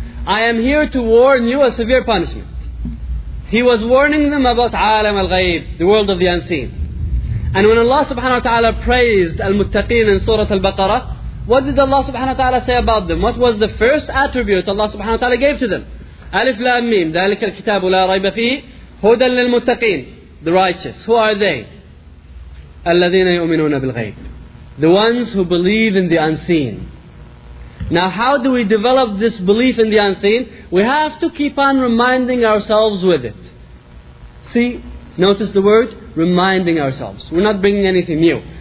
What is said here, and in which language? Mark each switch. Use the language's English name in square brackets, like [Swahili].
[English] I am here to warn you a severe punishment. He was warning them about عالم الغيب, the world of the unseen. And when Allah subhanahu wa ta'ala praised المتقين in Surah Al-Baqarah, what did Allah subhanahu wa ta'ala say about them? What was the first attribute Allah subhanahu wa ta'ala gave to them? [Arabic] Alif Lam Mim, ذلك الكتاب لا ريب فيه هدى للمتقين. [English] The righteous. Who are they? [Arabic] الذين يؤمنون بالغيب. [English] The ones who believe in the unseen. Now how do we develop this belief in the unseen? We have to keep on reminding ourselves with it. See, notice the word, reminding ourselves. We're not bringing anything new.